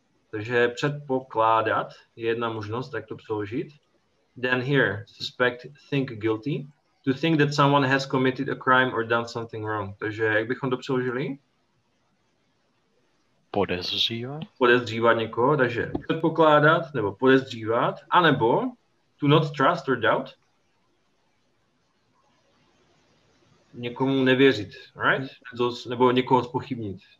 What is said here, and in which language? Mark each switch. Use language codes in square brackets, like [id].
[cs] Takže předpokládat je jedna možnost, tak to přeložit. [en] Then here, suspect, think guilty. To think that someone has committed a crime or done something wrong. [cs] Takže jak bychom to přeložili? Podezřívat. Podezřívat někoho, takže předpokládat nebo podezřívat. A nebo [en] to not trust or doubt. [cs] Někomu nevěřit, [en] right? [cs] Nebo někoho zpochybnit.